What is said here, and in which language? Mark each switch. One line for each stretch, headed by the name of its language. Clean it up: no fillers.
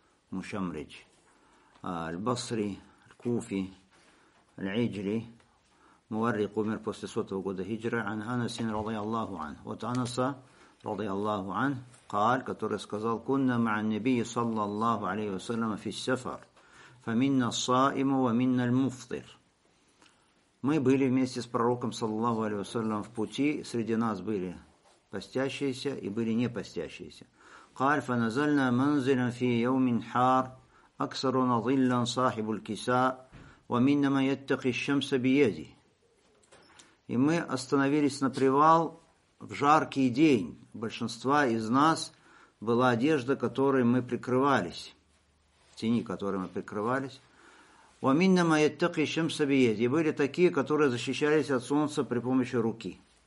Russian: Мушамрич, Аль-Басри, Аль-Куфи, Аль-Иджри, Муаррик умер после 100-го года хиджра, Ан-Анасин, ради Аллаху ан, от Анаса, ради Аллаху ан, قال который сказал
Arabic: كنا مع النبي صلى الله عليه وسلم في السفر فمنا الصائم ومنا المفطر.
Russian: Мы были вместе с пророком
Arabic: صلى الله عليه وسلم
Russian: в пути, среди нас были постящиеся и были не постящиеся.
Arabic: قال فنزلنا منزلا في يوم حار اكثر ظلا صاحب الكساء ومنا من يتقي الشمس بيده.
Russian: И мы остановились на привал в жаркий день. Большинства из нас была одежда, которой мы прикрывались, тени, которой мы прикрывались. И были такие, которые защищались от солнца при помощи руки.